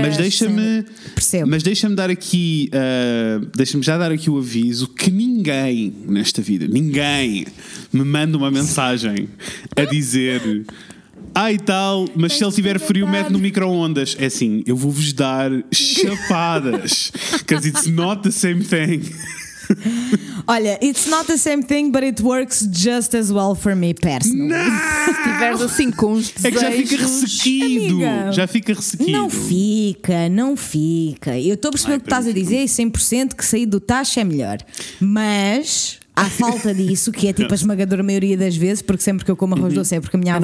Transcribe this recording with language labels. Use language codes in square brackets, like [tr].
[pt] Mas deixa-me. Percebo. Mas deixa-me dar aqui. Deixa-me já dar aqui o aviso que ninguém nesta vida, ninguém me manda uma mensagem a dizer. Ai tal, mas tem se ele tiver frio, mete no micro-ondas. É assim, eu vou-vos dar chapadas. [en] Because it's not the same thing. [pt] Olha, [en] it's not the same thing, but it works just as well for me personally. [pt] Não! Se tiveres assim com uns desejos. É que já fica ressequido. Amiga, já fica ressequido. Não fica. Eu estou a perceber o que estás a dizer e 100% que sair do tacho é melhor. Mas. À falta disso, que é tipo a esmagadora maioria das vezes, porque sempre que eu como arroz doce é porque a minha avó.